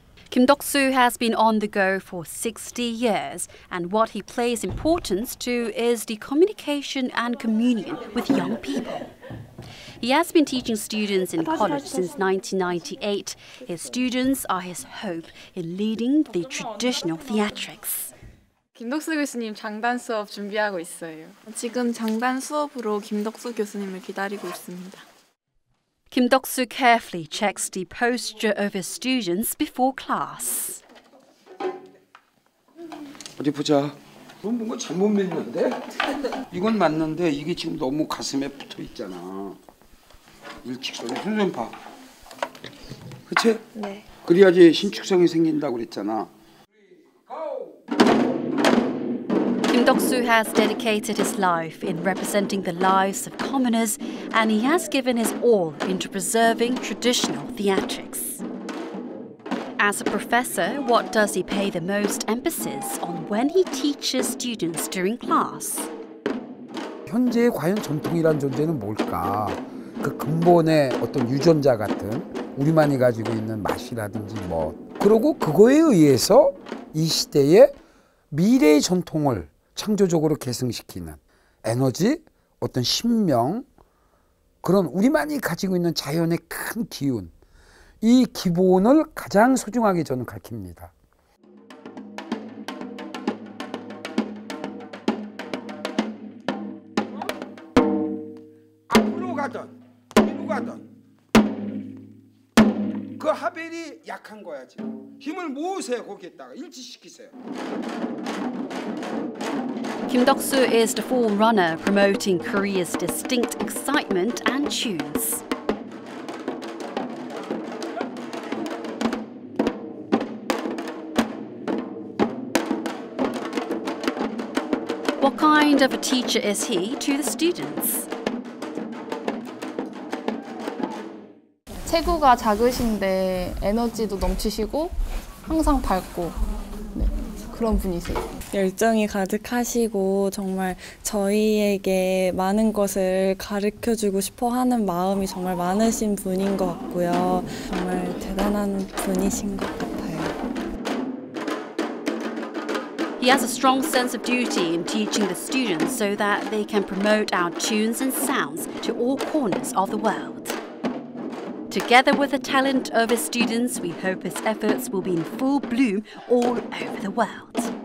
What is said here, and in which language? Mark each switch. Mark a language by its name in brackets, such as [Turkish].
[English] Kim Deok-soo has been on the go for 60 years, and what he plays importance to is the communication and communion with young people. He has been teaching students in college since 1998. His students are his hope in leading the traditional theatrics. [Korean] 김덕수 교수님 장단 수업 준비하고 있어요. 지금 장단 수업으로 김덕수 교수님을 기다리고 있습니다. [English] Kim Deok-soo carefully checks the posture of his students before class. [Korean] 어디 보자. 뭔가 잘못 밀렸는데? 이건 맞는데 이게 지금 너무 가슴에 붙어 있잖아. 일직선 선생님 봐. 그렇지? 네. 그래야지 신축성이 생긴다고 그랬잖아. [English] Kim Deok-soo has dedicated his life in representing the lives of commoners, and he has given his all into preserving traditional theatrics. As a professor, what does he pay the most emphasis on when he teaches students during class? [Korean] 현재 과연 전통이란 존재는 뭘까? 그 근본의 어떤 유전자 같은 우리만이 가지고 있는 맛이라든지 뭐 그리고 그거에 의해서 이 시대의 미래의 전통을 창조적으로 계승시키는 에너지, 어떤 신명, 그런 우리만이 가지고 있는 자연의 큰 기운, 이 기본을 가장 소중하게 저는 가르칩니다. (목소리) 앞으로 가든 뒤로 가든 그 하벨이 약한 거야 지금. 힘을 모으세요 거기에다가 일치시키세요. [English] Kim Deok-soo is the forerunner promoting Korea's distinct excitement and tunes. What kind of a teacher is he to the students? [Korean] 체구가 작으신데 에너지도 넘치시고 항상 밝고 네, 그런 분이세요. 열정이 가득하시고 정말 저희에게 많은 것을 가르쳐주고 싶어하는 마음이 정말 많으신 분인 것 같고요. 정말 대단한 분이신 것 같아요. [English] He has a strong sense of duty in teaching the students so that they can promote our tunes and sounds to all corners of the world. Together with the talent of his students, we hope his efforts will be in full bloom all over the world.